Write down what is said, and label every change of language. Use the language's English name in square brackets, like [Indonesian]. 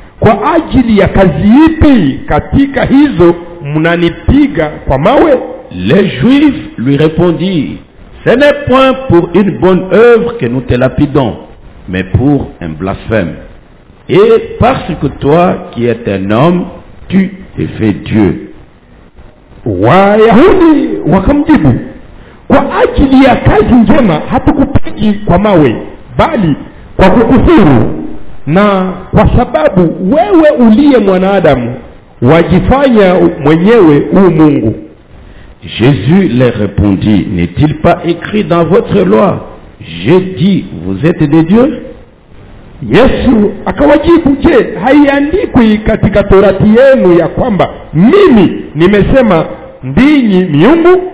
[Swahili] Kwa ajili ya kazi ipi katika hizo mnanipiga kwa mawe? [French] Les Juifs lui répondirent: ce n'est point pour une bonne œuvre que nous te lapidons, mais pour un blasphème. Et parce que toi qui es un homme, tu es fait Dieu. [Swahili] Wayahudi wakamjibu, kwa ajili ya kazi njema hatukupigi kwa mawe, bali kwa kukufuru. Na kwa sababu wewe uliye mwanadamu wajifanya mwenyewe u Mungu. [French] Jésus leur répondit: n'est-il pas écrit dans votre loi? J'ai dit, vous êtes des dieux. [Swahili] Yesu akawajibu, je haiandikwi katika torati yenu ya kwamba mimi nimesema ndinyi miungu?